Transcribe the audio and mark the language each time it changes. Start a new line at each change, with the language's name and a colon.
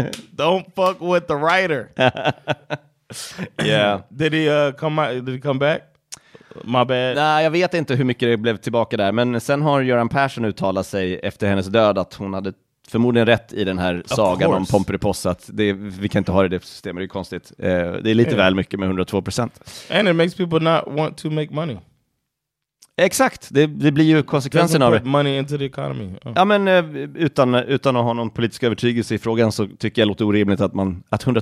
English: Don't fuck with the writer. Yeah. Did he come back? My bad.
Swedish: Nej, jag vet inte hur mycket det blev tillbaka där. Men sen har Göran Persson uttalat sig efter hennes död att hon hade förmodligen rätt i den här sagan om Pomperipossa, att vi kan inte ha det systemet, det är konstigt. Det är lite väl mycket med 102%.
English: And it makes people not want to make money.
Swedish: Exakt, det blir ju konsekvensen av det.
English: Doesn't put money into the economy.
Swedish: Ja, men utan att ha någon politisk övertygelse i frågan så tycker jag låter orimligt att 102% låter